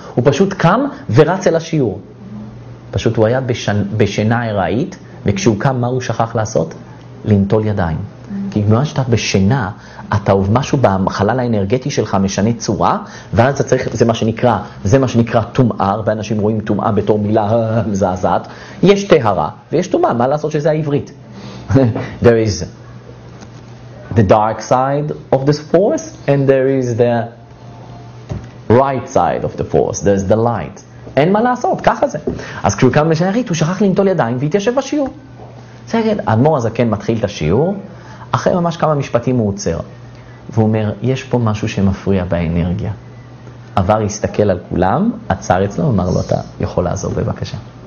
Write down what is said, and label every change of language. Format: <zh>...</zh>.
<he>הוא פשוט קם ורץ אל השיעור. פשוט הוא היה בשינה הראית, וכשהוא קם, מה הוא שכח לעשות? לנטול ידיים. כי במה שאתה בשינה, אתה אוהב משהו בחלל האנרגטי שלך משנה צורה, ואז אתה צריך, זה מה שנקרא, זה מה שנקרא תומאר, ואנשים רואים תומאה בתור מילה מזעזעת. יש תהרה, ויש תומאה, מה לעשות שזה העברית?</he> <en>There is the dark side of this force, and there is the right side of the force, there is the light.</en> <he>אין מה לעשות, ככה זה. אז כשהוא קם משנה הראית, הוא שכח לנטול ידיים והתיישב בשיעור. זה יגיד, אדמור הזקן מתחיל את השיעור, אחרי ממש כמה משפטים הוא עוצר, והוא אומר, יש פה משהו שמפריע באנרגיה. עבר, הסתכל על כולם, עצר אצלו, אמר לו, אתה יכול לעזור בבקשה.</he>